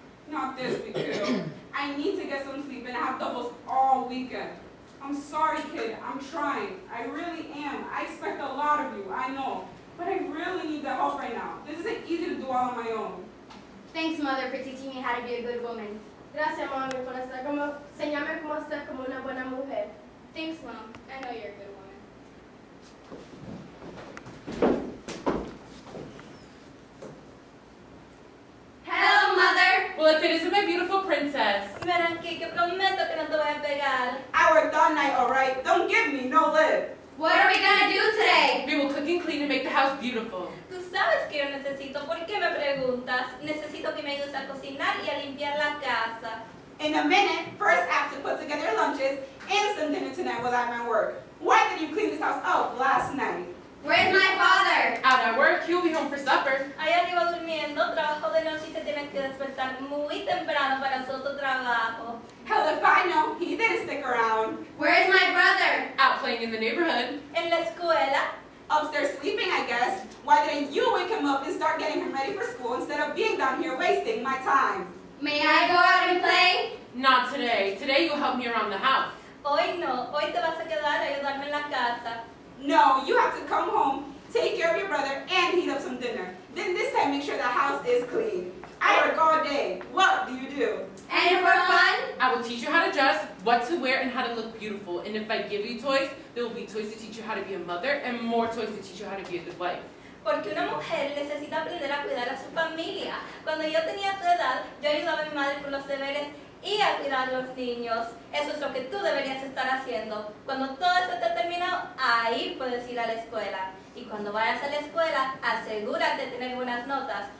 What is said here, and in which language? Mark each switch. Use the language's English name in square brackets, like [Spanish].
[English] Not this week, kiddo. I need to get some sleep and I have doubles all weekend. I'm sorry, kid. I'm trying. I really am. I expect a lot of you. I know. But I really need the help right now. This isn't easy to do all on my own. Thanks, mother, for teaching me how to be a good woman. [Spanish] Gracias, mami, por enseñarme cómo ser como una buena mujer. [English] Thanks, mom. I know you're a good woman. Hello, mother. Well, if it isn't my beautiful princess. [Spanish] Ven aquí, que prometo que no te voy a pegar. [English] Our dawn night, all right? Don't give me no lip. What are we gonna do today? We will cook and clean and make the house beautiful. [Spanish] Tú sabes que yo necesito. ¿Por qué me preguntas? Necesito que me ayudes a cocinar y a limpiar la casa. [English] In a minute, first I have to put together lunches and some dinner tonight while I'm at work. Why did you clean this house up last night? Where's my father? Out at work. He'll be home for supper. [Spanish] Allá arriba durmiendo. Trabajo de noche y se tiene que despertar muy temprano para su otro trabajo. [English] Hell if I know. He didn't stick around. Where's my brother? Out playing in the neighborhood. [Spanish] En la escuela. [English] Upstairs sleeping, I guess. Why didn't you wake him up and start getting him ready for school instead of being down here wasting my time? May I go out and play? Not today. Today you'll help me around the house. [Spanish] Hoy no. Hoy te vas a quedar a ayudarme en la casa. [English] No, you have to come home, take care of your brother, and heat up some dinner. Then this time, make sure the house is clean. I work all day. What do you do? And for fun? I will teach you how to dress, what to wear, and how to look beautiful. And if I give you toys, there will be toys to teach you how to be a mother, and more toys to teach you how to be a good wife. [Spanish] Porque una mujer necesita aprender a cuidar a su familia. Cuando yo tenía tu edad, yo ayudaba a mi madre con los deberes y a cuidar a los niños. Eso es lo que tú deberías estar haciendo. Cuando todo esto te termina, ahí puedes ir a la escuela. Y cuando vayas a la escuela, asegúrate de tener buenas notas.